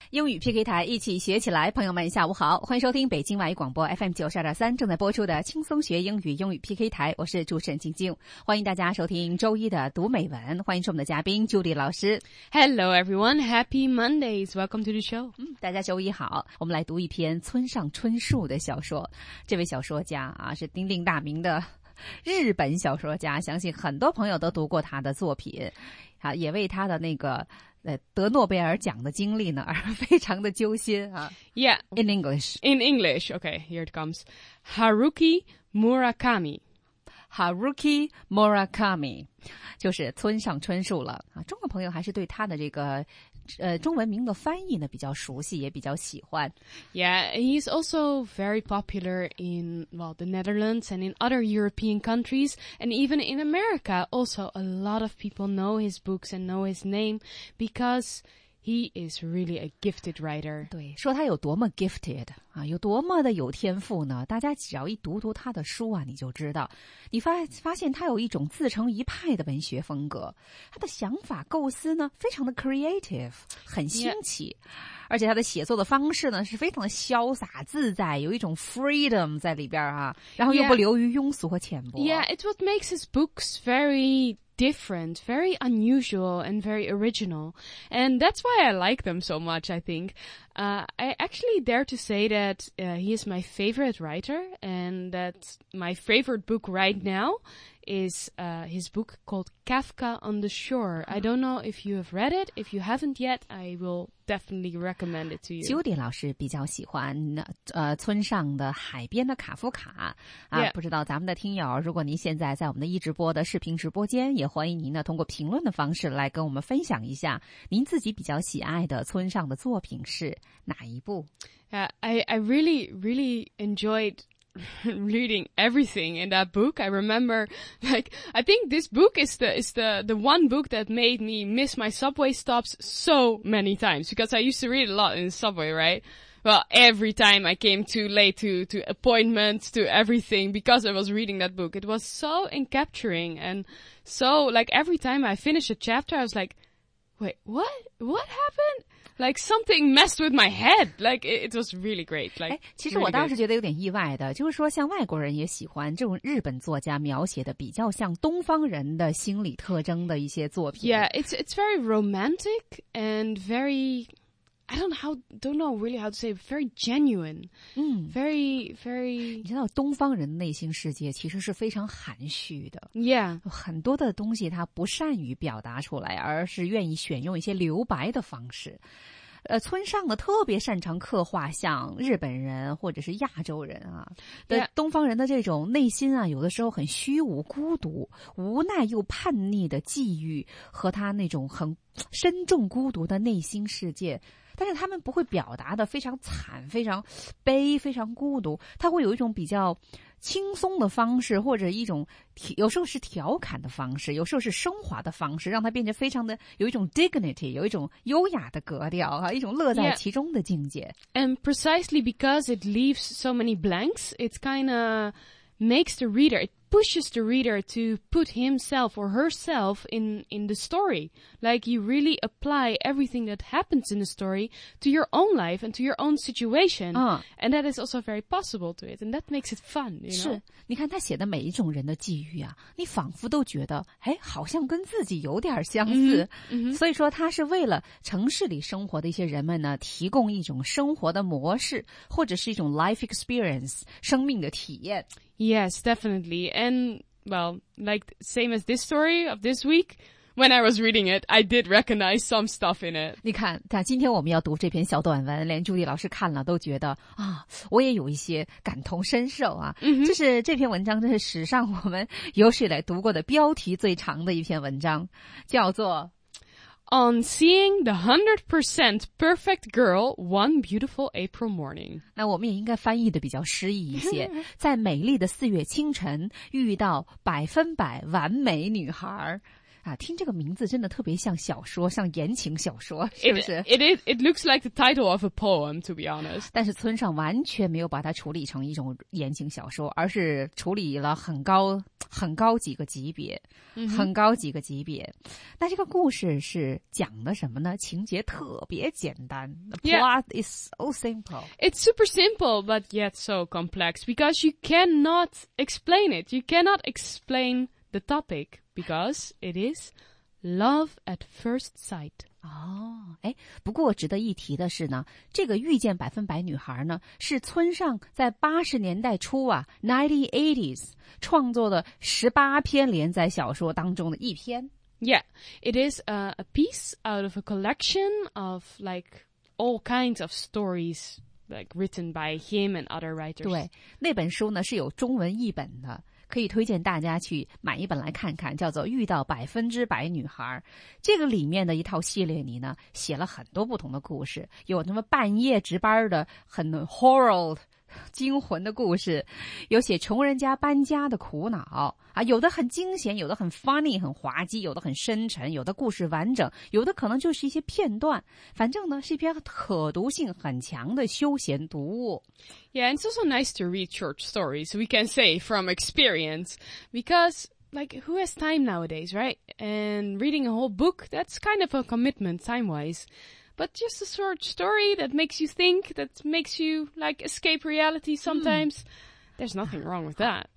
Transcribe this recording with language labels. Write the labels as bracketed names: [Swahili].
[Chinese] 英语 PK 台一起学起来，朋友们下午好，欢迎收听北京外语广播 FM92.3 正在播出的轻松学英语英语 PK 台，我是主持人晶晶，欢迎大家收听周一的读美文，欢迎是我们的嘉宾 Judy 老师。 [English] Hello everyone, happy Mondays, welcome to the show. [Chinese] 大家周一好，我们来读一篇村上春树的小说，这位小说家啊是鼎鼎大名的日本小说家，相信很多朋友都读过他的作品，也为他的那个得诺贝尔奖的经历呢而非常的揪心啊。 [English] Yeah, in English. In English, okay, here it comes. Haruki Murakami. [Chinese] Haruki Murakami, 就是村上春树了。中国朋友还是对他的这个中文名的翻译呢比较熟悉，也比较喜欢。 [English] Yeah, he's also very popular in, well, the Netherlands and in other European countries, and even in America, also a lot of people know his books and know his name because he is really a gifted writer. [Chinese] 对，说他有多么 gifted 啊，有多么的有天赋呢？大家只要一读读他的书啊，你就知道，你发现他有一种自成一派的文学风格，他的想法构思呢，非常的 creative， 很新奇， [English] yeah. [Chinese] 而且他的写作的方式呢，是非常的潇洒自在，有一种 freedom 在里边啊，然后又不流于庸俗和浅薄。 [English] Yeah, it's what makes his books very. Different, very unusual, and very original. And that's why I like them so much, I think. I actually dare to say that he is my favorite writer, and that my favorite book right now is his book called Kafka on the Shore. I don't know if you have read it. If you haven't yet, I will definitely recommend it to you. [Chinese] Judy 老师比较喜欢村上的海边的卡夫卡啊， [English] yeah. [Chinese] 不知道咱们的听友，如果您现在在我们的一直播的视频直播间，也欢迎您呢通过评论的方式来跟我们分享一下您自己比较喜爱的村上的作品是哪一部。 [English] I really, really enjoyed reading everything in that book. I remember, like, I think this book is the one book that made me miss my subway stops so many times, because I used to read a lot in the subway, right? Well, every time I came too late to appointments, to everything, because I was reading that book. It was so encapturing, and so, like, every time I finished a chapter, I was like, wait, what? What happened? Like something messed with my head. Like it was really great. Like, [Chinese] 其实我当时觉得有点意外的，就是说像外国人也喜欢这种日本作家描写的比较像东方人的心理特征的一些作品。 [English] Yeah, it's very romantic and very, I don't know really how to say, very genuine. Very, very. [Chinese] 你知道东方人的内心世界其实是非常含蓄的。 [English] Yeah. [Chinese] 很多的东西他不善于表达出来，而是愿意选用一些留白的方式。村上呢特别擅长刻画像日本人或者是亚洲人啊的、 [English] yeah. [Chinese] 东方人的这种内心啊，有的时候很虚无、孤独、无奈又叛逆的际遇，和他那种很深重孤独的内心世界，但是他们不会表达的非常惨、非常悲、非常孤独，他会有一种比较轻松的方式，或者一种有时候是调侃的方式，有时候是升华的方式，让它变成非常的有一种 dignity， 有一种优雅的格调啊，一种乐在其中的境界。 [English] Yeah. And precisely because it leaves so many blanks, it's kind of makes the reader, it pushes the reader to put himself or herself in the story. Like you really apply everything that happens in the story to your own life and to your own situation. And that is also very possible to it. And that makes it fun, you know? [Chinese] 是，你看他写的每一种人的际遇啊，你仿佛都觉得，哎，好像跟自己有点相似。所以说他是为了城市里生活的一些人们呢，提供一种生活的模式，或者是一种 [English] life experience, [Chinese] 生命的体验。 [English] Yes, definitely. And, well, like, same as this story of this week, when I was reading it, I did recognize some stuff in it. [Chinese] 你看，但今天我们要读这篇小短文，连朱莉老师看了都觉得，啊，我也有一些感同身受啊。 Mm-hmm. 就是这篇文章，这是史上我们有史以来读过的标题最长的一篇文章，叫做 [English] On Seeing the 100% Perfect Girl One Beautiful April Morning. [Chinese] 那我们也应该翻译的比较诗意一些。在美丽的四月清晨遇到百分百完美女孩。啊，听这个名字真的特别像小说，像言情小说，是不是 [English] ？It looks like the title of a poem, to be honest. [Chinese] 但是村上完全没有把它处理成一种言情小说，而是处理了很高几个级别，很高几个级别。那这个故事是讲的什么呢？情节特别简单 [English] ，plot is so simple. It's super simple, but yet so complex because you cannot explain it. You cannot explain the topic. Because it is love at first sight. [Chinese] 哦，哎，不过值得一提的是呢，这个遇见百分百女孩呢，是村上在80年代初啊 ，1980s 创作的18篇连载小说当中的一篇。 [English] Yeah, it is a piece out of a collection of like all kinds of stories, like written by him and other writers. [Chinese] 对，那本书呢是有中文译本的。可以推荐大家去买一本来看看，叫做《遇到百分之百女孩》。这个里面的一套系列里呢，写了很多不同的故事，有什么半夜值班的很 horror 惊魂的故事，有写穷人家搬家的苦恼啊，有的很惊险，有的很 funny 很滑稽，有的很深沉，有的故事完整，有的可能就是一些片段。反正呢，是一篇可读性很强的休闲读物。 [English] Yeah, it's also nice to read short stories, we can say from experience, because like who has time nowadays, right? And reading a whole book, that's kind of a commitment time-wise. But just a short story that makes you think, that makes you like escape reality sometimes, there's nothing wrong with that.